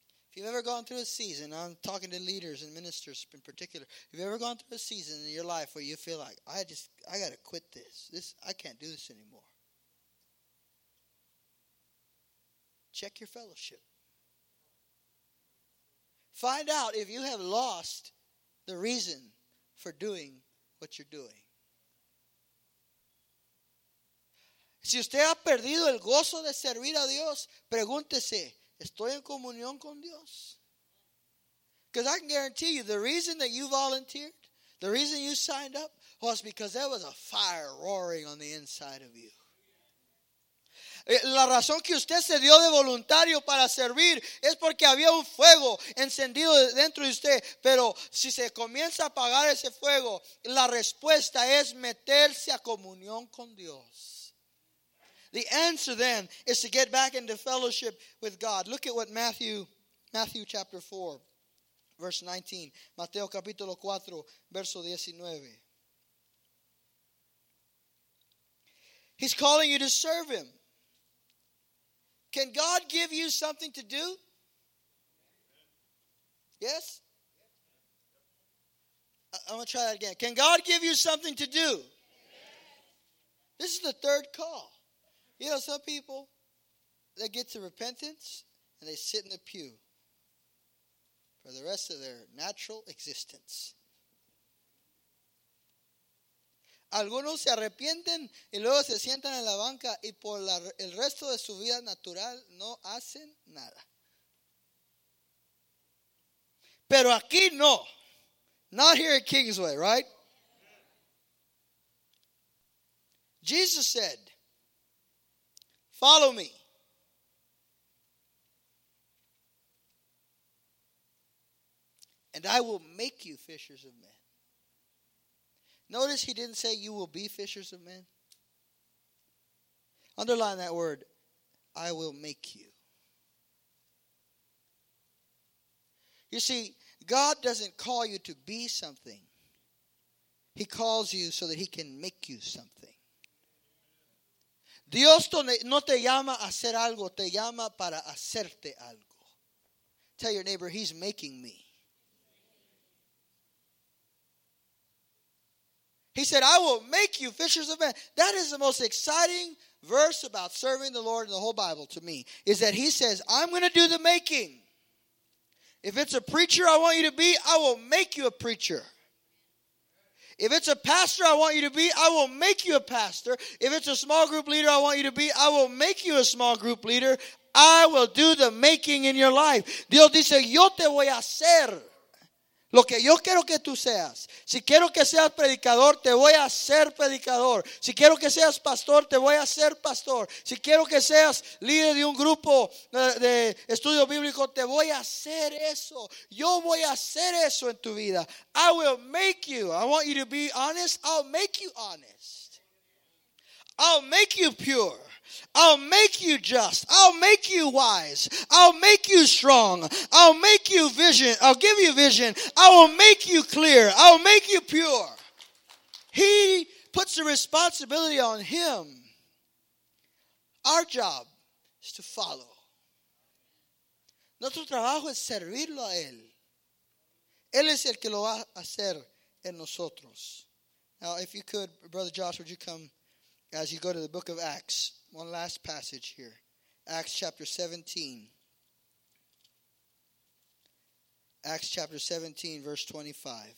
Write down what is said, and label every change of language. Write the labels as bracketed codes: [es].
[en] If you've ever gone through a season, I'm talking to leaders and ministers in particular, if you've ever gone through a season in your life where you feel like, I got to quit this, I can't do this anymore, check your fellowship. Find out if you have lost the reason for doing what you're doing. [es] Si usted ha perdido el gozo de servir a Dios, pregúntese, ¿estoy en comunión con Dios? [en] Because I can guarantee you, the reason that you volunteered, the reason you signed up, was because there was a fire roaring on the inside of you. [es] La razón que usted se dio de voluntario para servir es porque había un fuego encendido dentro de usted. Pero si se comienza a apagar ese fuego, la respuesta es meterse a comunión con Dios. [en] The answer then is to get back into fellowship with God. Look at what Matthew chapter 4, verse 19. [es] Mateo capítulo 4, verso 19. [en] He's calling you to serve him. Can God give you something to do? Yes? I'm going to try that again. Can God give you something to do? This is the third call. You know, some people, they get to repentance and they sit in the pew for the rest of their natural existence. [es] Algunos se arrepienten y luego se sientan en la banca y por el resto de su vida natural no hacen nada. Pero aquí no. [en] Not here at Kingsway, right? Jesus said, follow me. And I will make you fishers of men. Notice he didn't say you will be fishers of men. Underline that word, I will make you. You see, God doesn't call you to be something. He calls you so that he can make you something. [es] Dios no te llama a hacer algo, te llama para hacerte algo. [en] Tell your neighbor, he's making me. He said, I will make you fishers of men. That is the most exciting verse about serving the Lord in the whole Bible to me, is that he says, I'm going to do the making. If it's a preacher I want you to be, I will make you a preacher. If it's a pastor I want you to be, I will make you a pastor. If it's a small group leader I want you to be, I will make you a small group leader. I will do the making in your life. [es] Dios dice, yo te voy a hacer lo que yo quiero que tú seas. Si quiero que seas predicador, te voy a hacer predicador. Si quiero que seas pastor, te voy a hacer pastor. Si quiero que seas líder de un grupo de estudio bíblico, te voy a hacer eso. Yo voy a hacer eso en tu vida. [en] I will make you. I want you to be honest. I'll make you honest. I'll make you pure. I'll make you just. I'll make you wise. I'll make you strong. I'll make you vision. I'll give you vision. I will make you clear. I'll make you pure. He puts the responsibility on him. Our job is to follow. [es] Nuestro trabajo es servirlo a él. Él es el que lo va a hacer en nosotros. [en] Now, if you could, Brother Josh, would you come as you go to the book of Acts? One last passage here. Acts chapter 17. Acts chapter 17, verse 25.